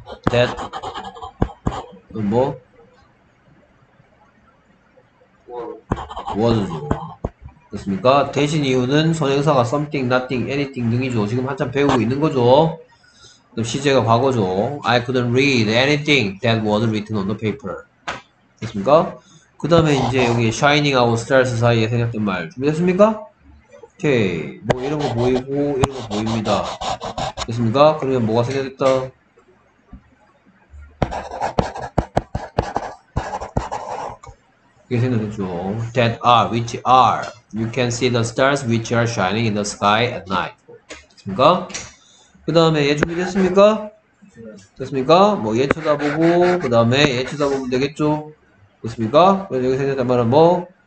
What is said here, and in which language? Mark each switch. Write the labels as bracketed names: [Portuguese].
[English] That. [Korean] 뭐? Was죠. 그렇습니까? 대신 이유는 선행사가 something, nothing, anything 등이죠. 지금 한참 배우고 있는 거죠. 그럼 시제가 과거죠. [English] I couldn't read anything that was written on the paper. [Korean] 됐습니까? 그 다음에 이제 여기 shining하고 stars 사이에 생략된 말 준비됐습니까? 오케이. 뭐 이런 거 보이고 이런 거 보입니다. 됐습니까? 그러면 뭐가 생략됐다? 이게 생각했죠. [English] That are, which are. You can see the stars which are shining in the sky at night. [Korean] 됐습니까? 그 다음에 얘 준비됐습니까? 됐습니까? 뭐얘 쳐다보고, 그 다음에 얘 쳐다보면 되겠죠? 됐습니까? 그래서 여기 생각한 말은 뭐?